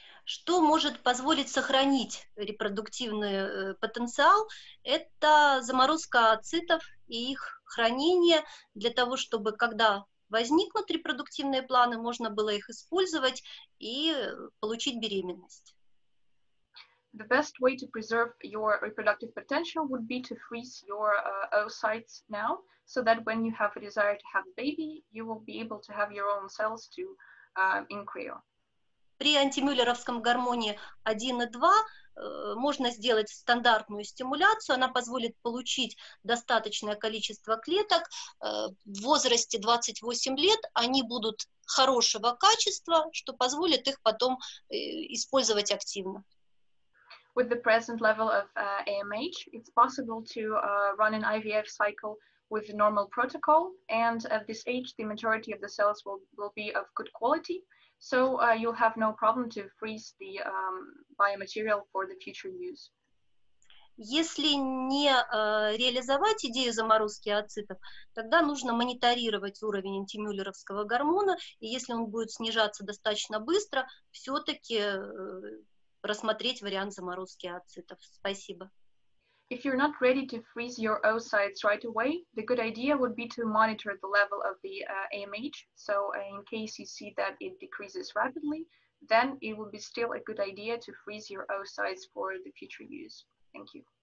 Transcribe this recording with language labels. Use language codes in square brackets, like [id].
[ru] Что может позволить сохранить репродуктивный потенциал, это заморозка оцитов и их хранение для того, чтобы когда возникнут репродуктивные планы, можно было их использовать и получить беременность. [en] The best way to preserve your reproductive potential would be to freeze your oocytes now, so that when you have a desire to have a baby, you will be able to have your own cells to in cryo. [ru] При антимюллеровском гормоне 1 и 2 можно сделать стандартную стимуляцию, она позволит получить достаточное количество клеток. В возрасте 28 лет они будут хорошего качества, что позволит их потом использовать активно. [en] With the present level of AMH, it's possible to run an IVF cycle with the normal protocol, and at this age, the majority of the cells will be of good quality. So you'll have no problem to freeze the biomaterial for the future use. [ru] Если не реализовать идею заморозки оцитов, тогда нужно мониторировать уровень антимюллеровского гормона, и если он будет снижаться достаточно быстро, все-таки рассмотреть вариант заморозки оцитов. Спасибо. [en] If you're not ready to freeze your oocytes right away, the good idea would be to monitor the level of the AMH. So in case you see that it decreases rapidly, then it would be still a good idea to freeze your oocytes for the future use. Thank you.